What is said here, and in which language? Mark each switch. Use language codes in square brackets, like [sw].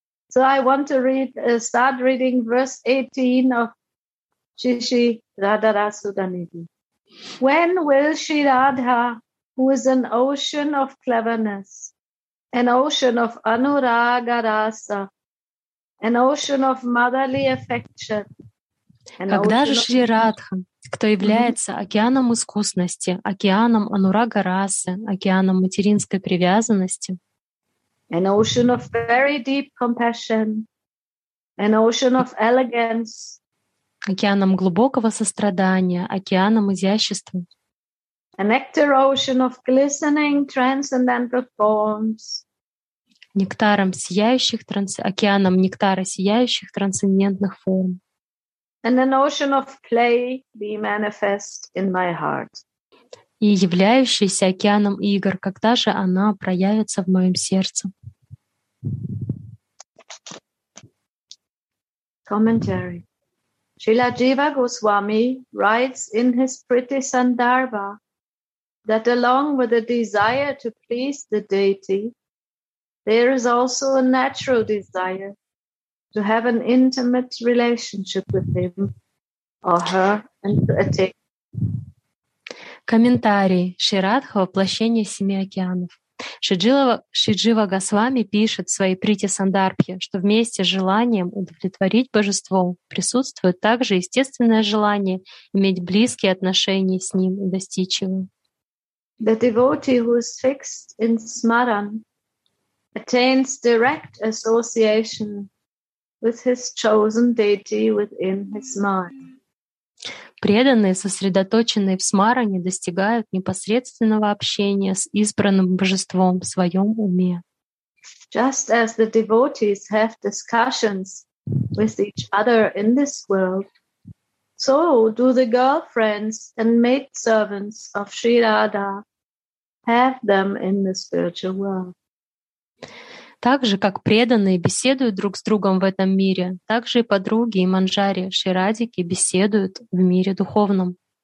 [en] So I want to start reading verse 18 of Shishi Radharasudhaniti. When will Sri Radha, who is an ocean of cleverness, an ocean of anuraga rasa, an ocean of motherly affection. [ru] Когда же Шри Радха, кто является океаном искусности, океаном анурага расы, океаном материнской привязанности, [en] an ocean of very deep compassion, an ocean of elegance, [ru] океаном глубокого сострадания, океаном изящества, [en] a nectar ocean of glistening transcendental forms, [ru] нектаром сияющих океаном нектара сияющих трансцендентных форм, [en] and an ocean of play be manifest in my heart, [ru] и являющийся океаном игр, когда же она проявится в моем сердце. [en] Commentary. Srila Jiva Goswami writes in his Priti Sandarbha that along with the desire to please the deity, there is also a natural desire to have an intimate relationship with him or her and to attain. [ru] Комментарий. Шри Радха, воплощение семи океанов. Шри Джива Госвами пишет в своей Прити Сандарбхе, что вместе с желанием удовлетворить божество присутствует также естественное желание иметь близкие отношения с ним и достичь его. [en] The devotee who is fixed in smaran attains direct association with his chosen deity within his mind. [ru] Преданные, сосредоточенные в смаране, достигают непосредственного общения с избранным божеством в своем уме. [en] Just as the devotees have discussions with each other in this world, so do the girlfriends and maidservants of Sri Radha have them in the spiritual world. [ru] Так же, как преданные беседуют друг с другом в этом мире, так же и подруги и манджари, ширадики, беседуют в мире духовном.